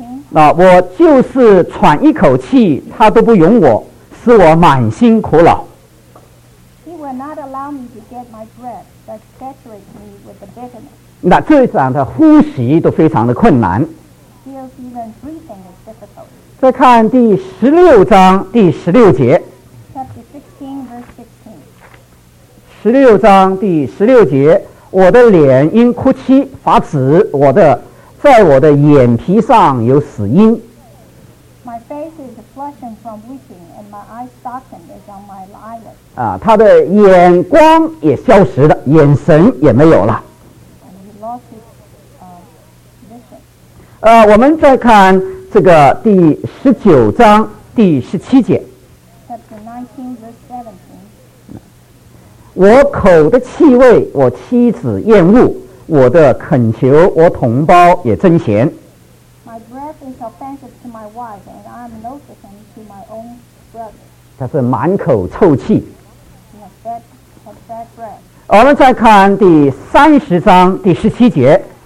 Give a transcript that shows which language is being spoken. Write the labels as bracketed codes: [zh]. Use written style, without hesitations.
[zh] 那我就是喘一口气，他都不容我，使我满心苦恼。 [en] He will not allow me to get my breath, but saturates me with the bitterness. [zh] 那这样的呼吸都非常的困难。 [en] Feels even breathing is difficult. [zh] 再看第十六章第十六节。 [en] Chapter 16, verse 16. [zh] 十六章第十六节，我的脸因哭泣发紫，我的在我的眼皮上有死因。 [en] My face is flushing from weeping, and my eyes darkened as on my eyelids. [zh] 啊，他的眼光也消失了，眼神也没有了。 [en] And he lost his vision. [zh] 我们再看这个第十九章第十七节。 [en] Chapter 19, verse 17. [zh] 我口的气味，我妻子厌恶。我的恳求，我同胞也憎嫌。 [en] My breath is offensive to my wife, and I am noticing to my own brother. [zh] 他是满口臭气。 [en] Bad breath. [zh] 我们再看第三十章第十七节。